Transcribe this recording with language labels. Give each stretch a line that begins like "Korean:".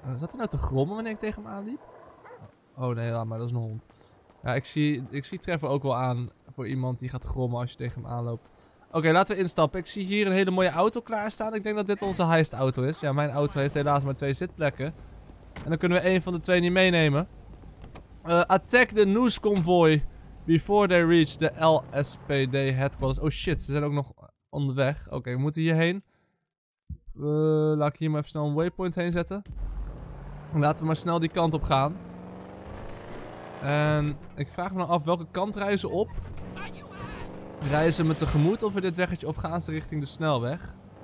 Dutch: Zat hij nou te grommen wanneer ik tegen hem aanliep? Oh, nee, laat maar. Dat is een hond. Ja, ik zie Trevor ook wel aan voor iemand die gaat grommen als je tegen hem aanloopt. Oké, laten we instappen. Ik zie hier een hele mooie auto klaarstaan. Ik denk dat dit onze heist auto is. Ja, mijn auto heeft helaas maar 2 zitplekken. En dan kunnen we 1 van de 2 niet meenemen.
English: Attack the news convoy before they reach the LSPD headquarters.
Dutch: Oh shit, ze zijn ook nog onderweg. Oké, we moeten hierheen. Laat ik hier maar even snel een waypoint heen zetten. Laten we maar snel die kant op gaan. En ik vraag me af welke kant rijden ze op. Rijden ze me tegemoet over dit weggetje of gaan ze richting de snelweg?